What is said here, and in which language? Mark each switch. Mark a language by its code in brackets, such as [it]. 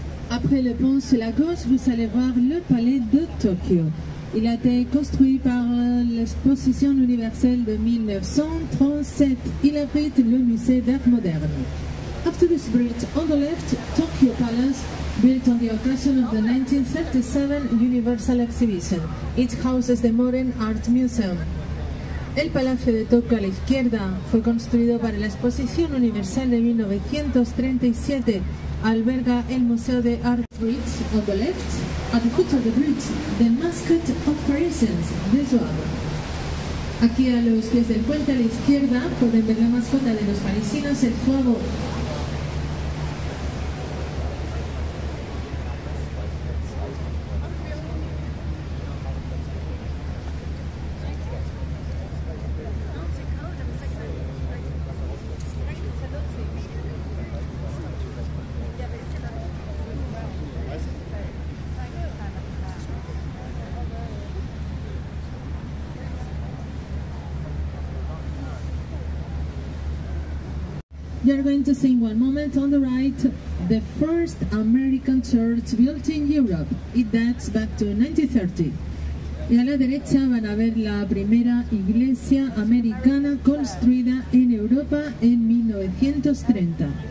[fr] Après le pont sur la gauche, vous allez voir le palais de Tokyo. Il a été construit par l'exposition universelle de 1937. Il abrite le musée d'art moderne. [en] After this bridge, on the left, Tokyo Palace, built on the occasion of the 1937 Universal Exhibition. It houses the Modern Art Museum. [es] El Palacio de Tokio a la izquierda fue construido para la exposición universal de 1937. Alberga el Museo de [en] Art Bridge on the left, at the foot of the bridge, the mascot of Parisians, the Zouave. [es] Aquí a los pies del puente a la izquierda pueden ver la mascota de los parisinos, el Zouave. [en] You're going to see in one moment on the right the first American church built in Europe. It dates back to 1930. [es] Y a la derecha van a ver la primera iglesia americana construida en Europa en 1930.